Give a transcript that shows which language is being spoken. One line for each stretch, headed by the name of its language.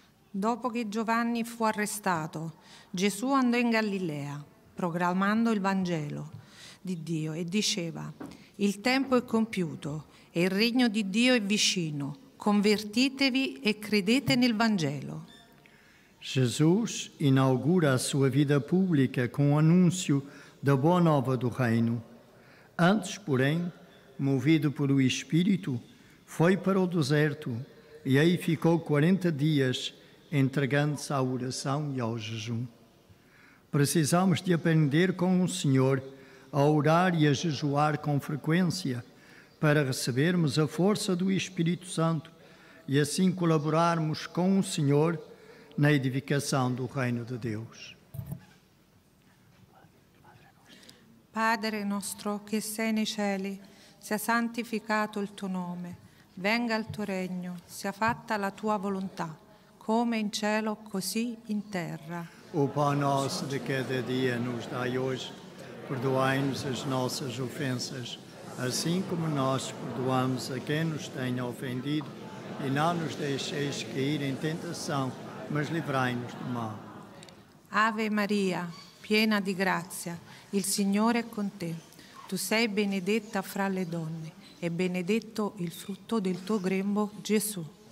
Italian: Dopo che Giovanni fu arrestato, Gesù andò in Galilea, proclamando il Vangelo di Dio e diceva: il tempo è compiuto e il regno di Dio è vicino. Convertitevi e credete nel Vangelo.
Portuguese: Jesus inaugura a sua vida pública com o anúncio da boa nova do reino. Antes, porém, movido pelo Espírito, foi para o deserto e aí ficou 40 dias entregando-se à oração e ao jejum. Precisamos de aprender com o Senhor a orar e a jejuar com frequência para recebermos a força do Espírito Santo e assim colaborarmos com o Senhor na edificação do Reino de Deus.
Italian: Padre nostro che sei nei cieli, sia santificato il tuo nome, venga il tuo regno, sia fatta la tua volontà, come in cielo, così in terra.
Portuguese: O pão nosso de cada dia nos dai hoje, perdoai-nos as nossas ofensas, assim como nós perdoamos a quem nos tenha ofendido, e não nos deixeis cair em tentação, mas livrai-nos do mal.
Italian: Ave Maria, piena de graça, il Signore è con te. Tu sei benedetta fra le donne, e benedetto il frutto del tuo grembo, Gesù.